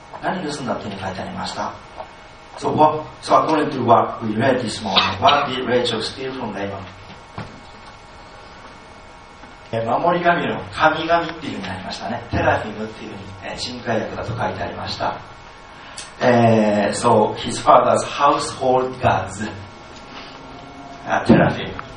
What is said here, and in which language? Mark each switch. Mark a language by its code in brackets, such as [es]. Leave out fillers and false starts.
[ja] 何盗んだというふうに書いてありました。 [en] So according to what we read this morning, what did Rachel steal from Laban? [ja] 守り神の神々っていうふうになりましたね。テラフィムっていうふうに、新改訳だと書いてありました。 [en] So his father's household gods, テラフィム。